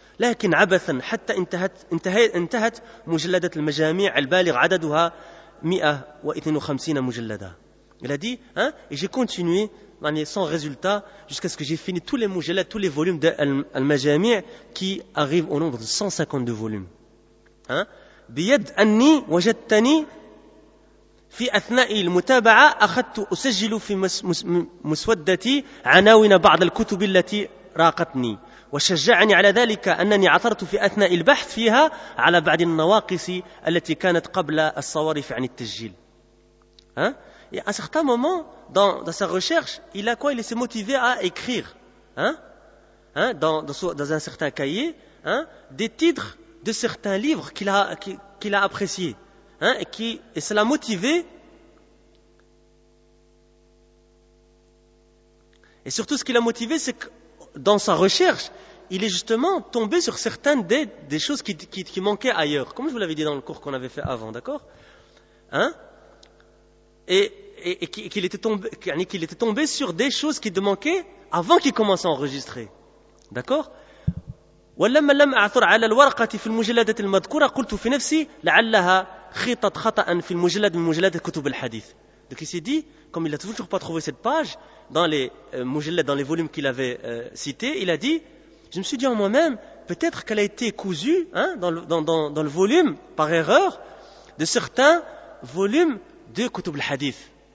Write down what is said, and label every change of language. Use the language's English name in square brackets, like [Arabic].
[Arabic] لَكِنْ عَبَثًا حَتَّى انتهت مُجَلَّدَةِ الْمَجَامِعِ الْبَالِغْ عَدَدُهَا 152 مُجَلَّدَةِ [French] Il a dit, hein, et j'ai continué sans résultat jusqu'à ce que j'ai fini tous les mujallads, tous les volumes d'Al-Majami' qui arrivent au nombre de 152 volumes. [Arabic] بيد أني وجدتني في أثناء المتابعة أخذت أسجل في مسودتي عناوين بعض الكتب التي راقتني وشجعني على ذلك أنني عثرت في أثناء البحث فيها على بعض النواقص التي كانت قبل الصوارف عن التسجيل. [French] Et à un certain moment, dans sa recherche, il a quoi? Il s'est motivé à écrire, dans un certain cahier, des titres de certains livres qu'il a appréciés. Et cela a motivé. Et surtout, ce qui l'a motivé, c'est que dans sa recherche, il est justement tombé sur certaines des choses qui manquaient ailleurs. Comme je vous l'avais dit dans le cours qu'on avait fait avant, d'accord? Et qu'il était tombé sur des choses qui manquaient avant qu'il commence à enregistrer. D'accord ? [Arabic] ولما لم اعثر على الورقه في المجلدات المذكوره قلت في نفسي لعلها خطت خطا في المجلد من مجلدات كتب الحديث. [French] Donc il s'est dit, comme il a toujours pas trouvé cette page dans les mujallad, dans les volumes qu'il avait cités, il a dit, je me suis dit en moi-même, peut-être qu'elle a été cousue dans le volume par erreur de certains volumes de Kutub al-Hadith.